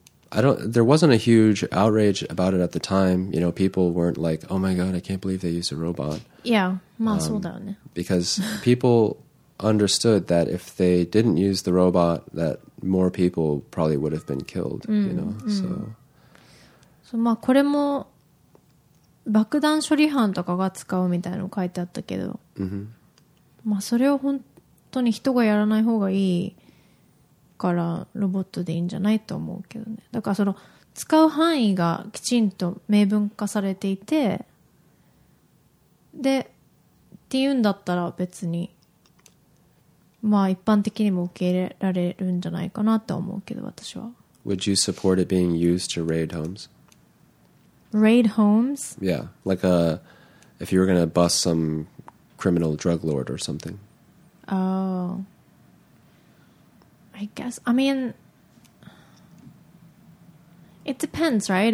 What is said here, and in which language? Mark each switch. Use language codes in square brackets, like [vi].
[en] There wasn't a huge outrage about it at the time. You know, people weren't like, "Oh my god, I can't believe they used a robot." Yeah, muscle down. Because people understood that if they didn't use the robot, that more people probably would have been killed. Mm, you know, so. [ja] So, まあこれも爆弾処理班とかが使うみたいなの書いてあったけど、 mm-hmm. まあそれを本当に人がやらない方がいい。からロボットでいいんじゃないと思うけどね。だからその使う範囲がきちんと明文化されていて、でっていうんだったら別にまあ一般的にも受け入れられるんじゃないかなと思うけど私は。 [en] Would you support it being used to raid homes? Raid homes? Yeah, like a if you were gonna bust some criminal drug lord or something. Oh. I guess, I mean, it depends, right?